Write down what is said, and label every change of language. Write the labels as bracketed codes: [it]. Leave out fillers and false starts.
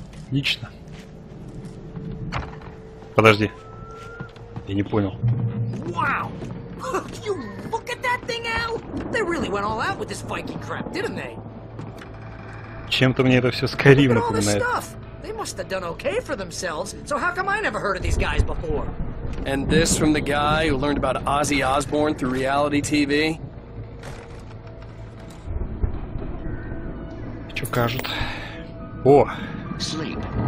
[ru] Лично. Подожди. Я не понял. Вау! [en] Oh, you look at that thing, Al! They really went all out with this Viking crap, didn't they? [ru] Чем-то мне это все Skyrim напоминает. [en] They must have done okay for themselves, so how come I never heard of these guys before? And this from the guy who learned about Ozzy Osbourne through reality TV? [ru] Что кажут? О! [en] Sleep.